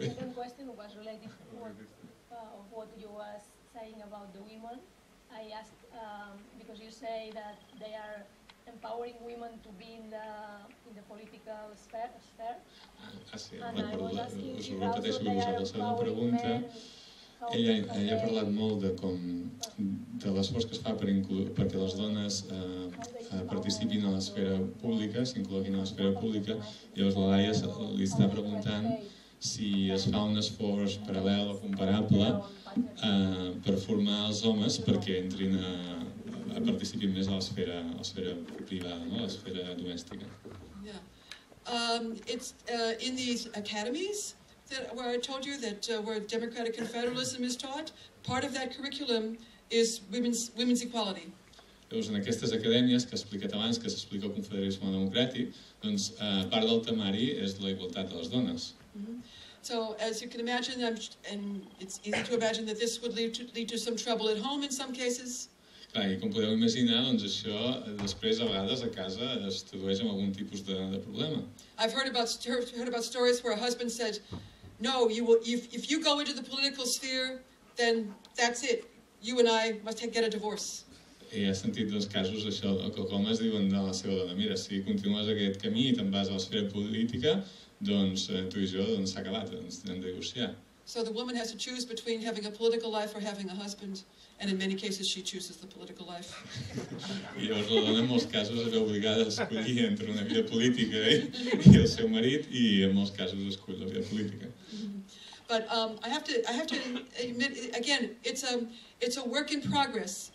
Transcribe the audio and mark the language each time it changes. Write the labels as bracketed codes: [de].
[en] The second question was related to what you was saying about the women. I asked because you say that they are empowering women to be in the political sphere. [ca] Ella ha parlat molt de l'esforç que es fa perquè les dones participin a l'esfera pública, s'incloguin a l'esfera pública. Llavors la Laia li està preguntant si es fa un esforç paral·lel o comparable per formar els homes perquè entrin a participar més a l'esfera privada, no? A l'esfera domèstica. [en] In these academies that where I told you that where democratic confederalism is taught, part of that curriculum is women's equality. [ca] Llavors, en aquestes acadèmies que he explicat abans, que s'explica el confederalisme democràtic, doncs part del temari és la igualtat de les dones. Mm-hmm. [en] So, as you can imagine, and it's easy to imagine that this would lead to some trouble at home in some cases. [ca] Clar, i com podeu imaginar, doncs això després a vegades a casa es trobeix amb algun tipus de problema. [en] I've heard about stories where a husband said, no, if you go into the political sphere, then that's it. You and I must get a divorce. [ca] I has sentit dos casos això, que com es diuen de la seva dona, mira, si continues aquest camí i te'n vas a l'esfera política, doncs tu i jo s'ha doncs, acabat, ens hem de divorciar. [en] So the woman has to choose between having a political life or having a husband, and in many cases she chooses the political life. [ca] I llavors la dona en molts casos es veu obligada a escollir entre una vida política i el seu marit, i en molts casos escull la vida política. [en] But I have to admit again, it's a work in progress.